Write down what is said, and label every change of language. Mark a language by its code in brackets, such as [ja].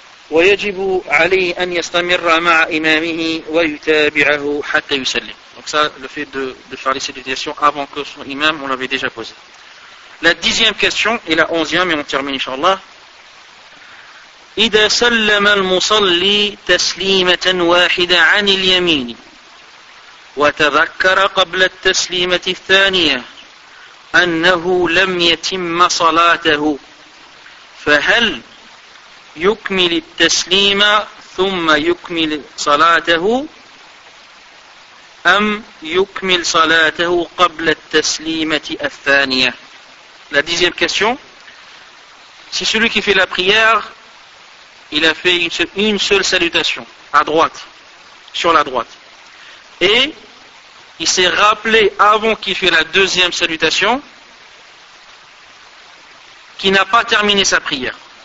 [ar] وَيَجِبُ عَلَيْهِ أَنْ يَسْتَمِرَّ مَعَ إِمَامِهِ وَيُتَابِعَهُ حَتَّى يُسَلِّمْ. [fr] Donc ça, le fait de faire les salutations avant que son imam, on l'avait déjà posé. La dixième question et la onzième, et on termine, inshallah. [ar] إذا سلم المصلي تسليمة واحدة عن اليمين وتذكر قبل التسليمة الثانية أنه لم يتم صلاته فهل يكمل التسليم ثم يكمل صلاته أم يكمل صلاته قبل التسليمة الثانية؟ [fr] La deuxième question, c'est celui qui fait la prière. Il a fait une seule salutation, à droite, sur la droite. Et il s'est rappelé, avant qu'il fasse la deuxième salutation, qu'il n'a pas terminé sa prière.